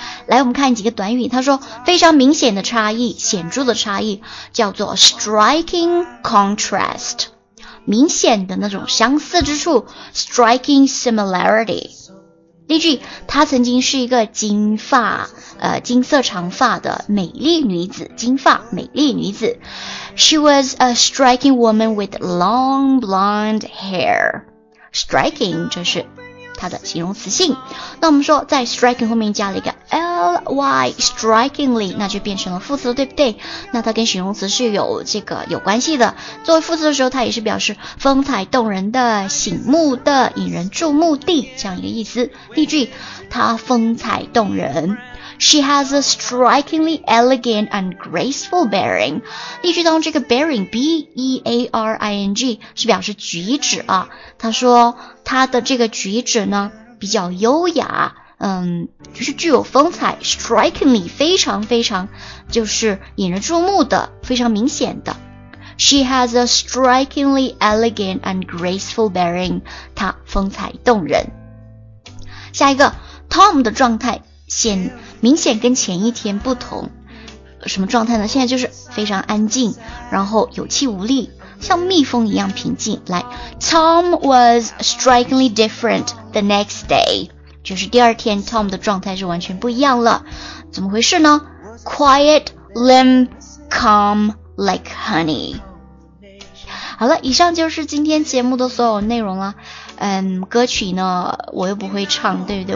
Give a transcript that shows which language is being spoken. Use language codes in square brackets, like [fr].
[zh] 来，我们看几个短语，他说非常明显的差异、显著的差异，叫做 striking contrast。明显的那种相似之处 ,striking similarity。例句，她曾经是一个金发金色长发的美丽女子，金发美丽女子。 [en] She was a striking woman with long blonde hair. [zh] Striking, 这是她的形容词性。那我们说在 striking 后面加了一个 ly, strikingly, 那就变成了副词，对不对？那它跟形容词是有这个有关系的，作为副词的时候它也是表示风采动人的、醒目的、引人注目的这样一个意思。例句，她风采动人。 [en] She has a strikingly elegant and graceful bearing. [zh] 例句中这个 bearing, B-E-A-R-I-N-G, 是表示举止啊。他说他的这个举止呢比较优雅，就是具有风采， strikingly, 非常非常就是引人注目的，非常明显的。 [en] She has a strikingly elegant and graceful bearing. [zh] 他风采动人。下一个 ,Tom 的状态明显跟前一天不同，什么状态呢？现在就是非常安静，然后有气无力，像蜜蜂一样平静。 [en] 来 ,Tom was strikingly different the next day. [zh] 就是第二天 Tom 的状态是完全不一样了。怎么回事呢？ [en] Quiet, limp, calm, like honey. [zh] 好了，以上就是今天节目的所有内容了。歌曲呢我又不会唱，对不对？